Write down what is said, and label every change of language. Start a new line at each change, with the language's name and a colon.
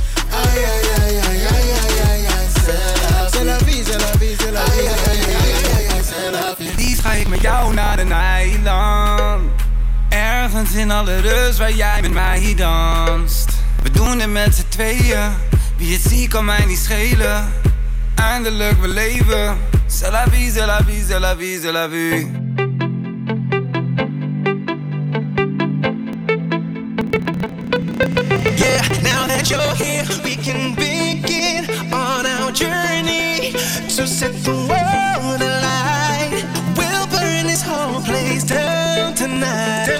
Dutch: Ai, ai, ai, ai, ai, ai, ai, ai, selfie. Selfie, selfie, selfie. Ai, ai, ai, ai, ai, ai, selfie. En liefst ga ik met jou naar een eiland. Ergens in alle rust waar jij met mij danst. We doen het met z'n tweeën. Wie het ziet kan mij niet schelen. Eindelijk we leven.
French: C'est la vie, c'est la vie, c'est la vie, c'est la vie.
English: Yeah, now that you're here, we can begin on our journey to set the world alight. We'll burn this whole place down tonight.